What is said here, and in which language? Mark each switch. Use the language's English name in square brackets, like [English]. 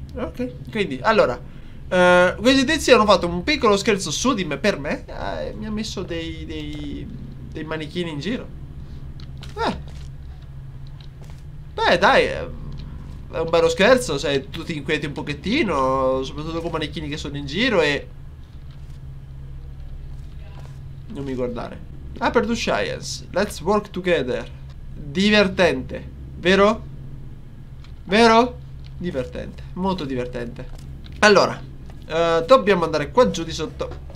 [Italian] Ok, quindi, allora. Questi tizi hanno fatto un piccolo scherzo su di me per me. Mi ha messo dei manichini in giro. Beh, dai. È un bello scherzo, sai, tu ti inquieti un pochettino, soprattutto con manichini che sono in giro e... Non mi guardare. [English] Aperture Science, let's work together. [Italian] Divertente, vero? Vero? Divertente, molto divertente. Allora, dobbiamo andare qua giù di sotto.